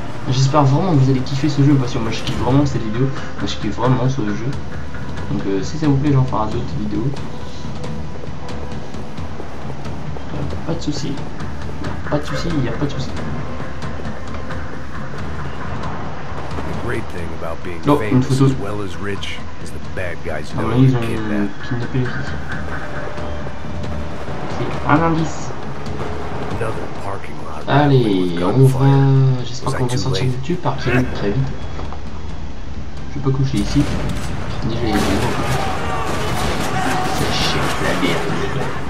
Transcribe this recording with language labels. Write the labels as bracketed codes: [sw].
[fr] J'espère vraiment que vous allez kiffer ce jeu, parce que moi, je kiffe vraiment cette vidéo. Moi, je kiffe vraiment ce jeu. Donc si ça vous plaît, j'en ferai d'autres vidéos. Pas de soucis. Pas de soucis, il n'y a pas de soucis. [en] Great thing about being famous as well as rich is the bad guys know you can't. [fr] C'est un indice. [en] Another parking lot. [fr] Allez, on va. J'espère qu'on va sortir du parking très vite. Je vais pas coucher ici. Ni je vais y aller. Sachez que la merde.